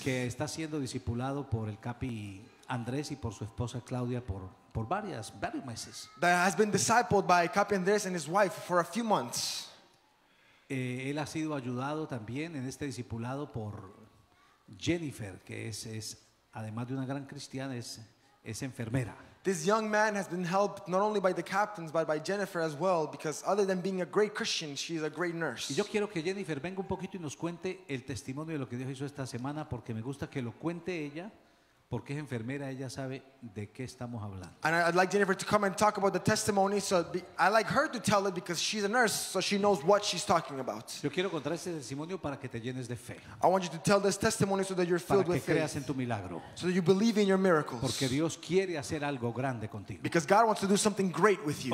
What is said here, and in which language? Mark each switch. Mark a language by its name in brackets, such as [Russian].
[Spanish] que está siendo discipulado por el Capi Andrés y por su esposa Claudia por varios meses. [English] That has been discipled by Capi Andrés and his wife for a few months. [Spanish] Él ha sido ayudado también en este discipulado por Jennifer, que es además de una gran cristiana, es enfermera. [English] This young man has been helped not only by the captains but by Jennifer as well, because other than being a great Christian, she's a great nurse. [Spanish] Y yo quiero que Jennifer venga un poquito y nos cuente el testimonio de lo que Dios hizo esta semana, porque me gusta que lo cuente ella, porque es enfermera, ella sabe de qué estamos hablando. [English] And I'd like Jennifer to come and talk about the testimony, so I'd like her to tell it because she's a nurse, so she knows what she's talking about. [Spanish] Yo quiero contar este testimonio para que te llenes de fe. [English] I want you to tell this testimony so that you're filled with faith. [Spanish] Para que creas en tu milagro. [English] So that you believe in your miracles. [Spanish] Porque Dios quiere hacer algo grande contigo. [English] Because God wants to do something great with you.